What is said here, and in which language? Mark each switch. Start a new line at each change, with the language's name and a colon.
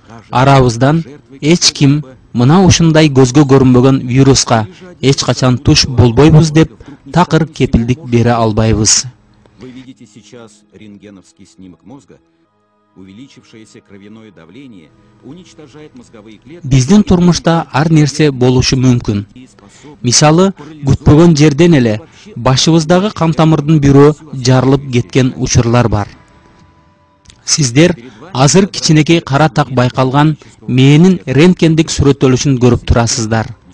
Kyrgyz: Арабыздан эч ким мына ушундай көзгө көрүнбөгөн вируска эч качан туш болбойбуз деп такыр кепилдик бере албайбыз.
Russian: Вы видите сейчас рентгеновский снимок мозга. Увеличившееся кровяное давление уничтожает мозговые клетки.
Kyrgyz: Биздин турмушта ар нерсе болушу мүмкүн. Мисалы, күтпөгөн жерден эле башыбыздагы кан тамырдын бирөө жарылып кеткен учурлар бар. Сиздер азыр кичинекей кара так байкалган мээнин рентгендик сүрөттөлүшүн көрүп турасыздар.